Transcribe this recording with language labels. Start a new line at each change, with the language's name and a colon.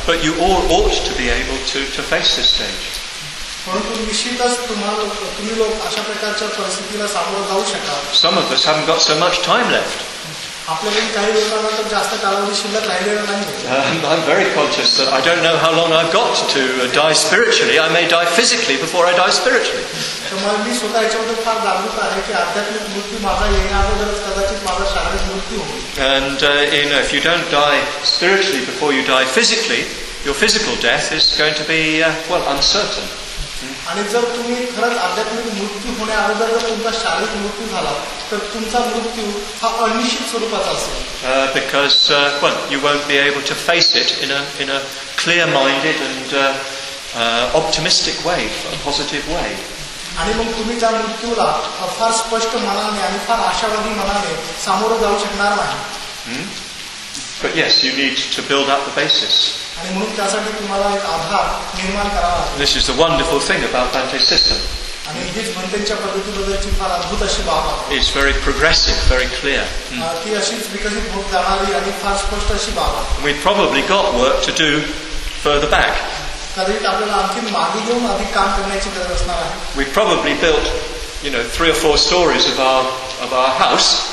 English: But you all ought to be able to face this stage.
Marathi: परंतु निश्चितच तुम्ही लोक अशा प्रकारच्या परिस्थितीला सामोरं जाऊ शकाल.
English: Some of us haven't got so much time left.
Marathi: आपल्याकडे काही लोकांना तर जास्त कालावधी शिल्लक राहिलेला नाही.
English: I'm very conscious that I don't know how long I've got to die spiritually. I may die physically before I die spiritually.
Marathi: मी स्वतः याच्याबद्दल फार जागृत आहे की आध्यात्मिक मृत्यू माझा येण्याबद्दल कदाचित माझा शारीरिक मृत्यू होईल.
English: And if you don't die spiritually before you die physically, your physical death is going to be well uncertain.
Marathi: आणि जर तुम्ही खरंच आध्यात्मिक मृत्यू होण्याअगोदर जर तुमचा शारीरिक मृत्यू झाला तर तुमचा मृत्यू हा अनिश्चित स्वरूपाचा असेल.
English: Because well, you won't be able to face it in a clear minded and optimistic way, a positive way.
Marathi: आणि मग तुम्ही त्या मृत्यूला फार स्पष्ट मनाने आणि फार आशावादी मनाने सामोरं जाऊ शकणार नाही.
English: But yes, you need to build up the basis.
Marathi: आणि म्हणून त्यासाठी तुम्हाला एक आधार निर्माण करावा लागेल.
English: This is the wonderful thing about Bhante's system.
Marathi: आणि हीच भंतेच्या पद्धतीबद्दलची फार अद्भुत अशी बाब आहे.
English: It's very progressive, very clear.
Marathi: ती अशी विकसित होत जाणारी आणि फार स्पष्ट अशी बाब आहे.
English: We've probably got work to do further back. We probably built, you know, 3 or 4 stories of our house.